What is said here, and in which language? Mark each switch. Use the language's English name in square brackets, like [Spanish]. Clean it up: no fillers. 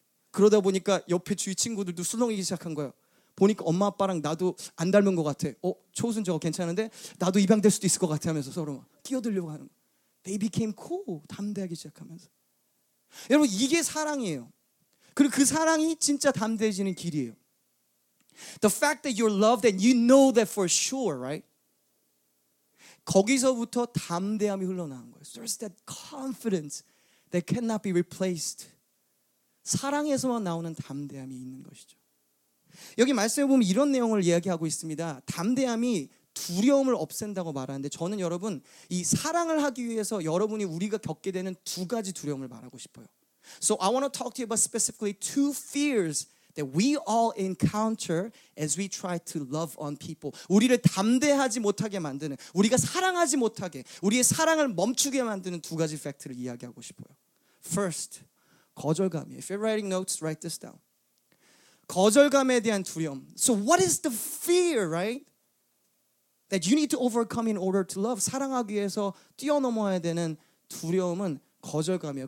[Korean] 그러다 보니까 옆에 주위 친구들도 술렁이기 시작한 거예요. 보니까 엄마 아빠랑 나도 안 닮은 것 같아. 어? 초우순 저거 괜찮은데? 나도 입양될 수도 있을 것 같아 하면서 서로 막 끼어들려고 하는 거. [English] They became cool. [Korean] 담대하게 시작하면서. 여러분 이게 사랑이에요. 그리고 그 사랑이 진짜 담대해지는 길이에요. [English] The fact that you're loved and you know that for sure, right? [Korean] 거기서부터 담대함이 흘러나온 거예요. [English] There's that confidence that cannot be replaced. [Korean] 사랑에서만 나오는 담대함이 있는 것이죠. 여기 말씀해 보면 이런 내용을 이야기하고 있습니다. 담대함이 두려움을 없앤다고 말하는데 저는 여러분 이 사랑을 하기 위해서 여러분이 우리가 겪게 되는 두 가지 두려움을 말하고 싶어요. [English] So I want to talk to you about specifically two fears that we all encounter as we try to love on people. [Korean] 우리를 담대하지 못하게 만드는 우리가 사랑하지 못하게 우리의 사랑을 멈추게 만드는 두 가지 팩트를 이야기하고 싶어요. [English] First, [Korean] 거절감이에요. [English] If you're writing notes, write this down. [Korean] 거절감에 대한 두려움. [English] So what is the fear, right? That you need to overcome in order to love. [Korean] 사랑하기 위해서 뛰어넘어야 되는 두려움은 거절감이에요.